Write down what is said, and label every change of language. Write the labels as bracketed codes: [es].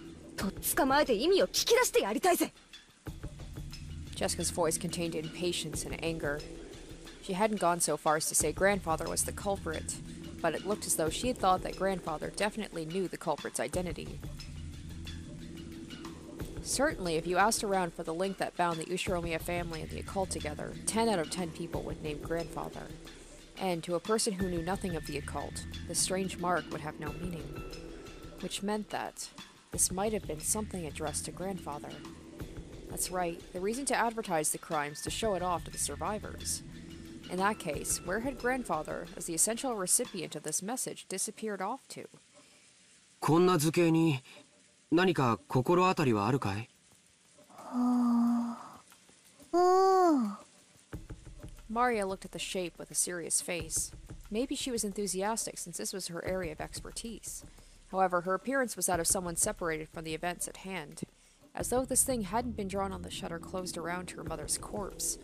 [ja] こんなわけのわかんねえもんを描きたがるのは、じいさまだけだろ。まったく、どこに行っちまったんだ。とっ捕まえて意味を聞き出してやりたいぜ。 [en] Jessica's voice contained impatience and anger. She hadn't gone so far as to say Grandfather was the culprit, but it looked as though she had thought that Grandfather definitely knew the culprit's identity. Certainly, if you asked around for the link that bound the Ushiromiya family and the occult together, 10 out of 10 people would name Grandfather. And to a person who knew nothing of the occult, the strange mark would have no meaning. Which meant that this might have been something addressed to Grandfather. That's right, the reason to advertise the crimes to show it off to the survivors. In that case, where had Grandfather, as the essential recipient of this message, disappeared off to? [ja] こんな図形に何か心当たりはあるかい? [en] Maria looked at the shape with a serious face. Maybe she was enthusiastic since this was her area of expertise. However, her appearance was that of someone separated from the events at hand. As though this thing hadn't been drawn on the shutter closed around her mother's corpse.